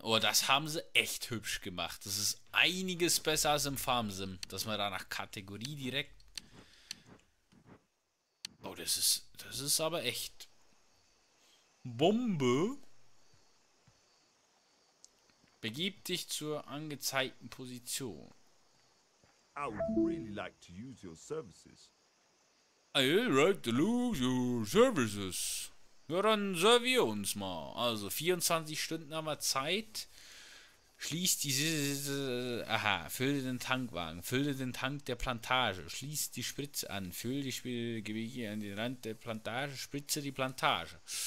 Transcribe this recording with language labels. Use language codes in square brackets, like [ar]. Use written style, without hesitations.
[de] Oh, das haben sie echt hübsch gemacht. Das ist einiges besser als im Farmsim, dass man da nach Kategorie direkt... Oh, das ist aber echt... Bombe. Begib dich zur angezeigten Position. [en] I would really like to use your services. I would like to use your services. [de] Ja, dann servier uns mal. Also, 24 Stunden haben wir Zeit. Schließ diese... Aha, fülle den Tankwagen. Fülle den Tank der Plantage. Schließ die Spritze an. Fülle die Gewege an den Rand der Plantage. Spritze die Plantage.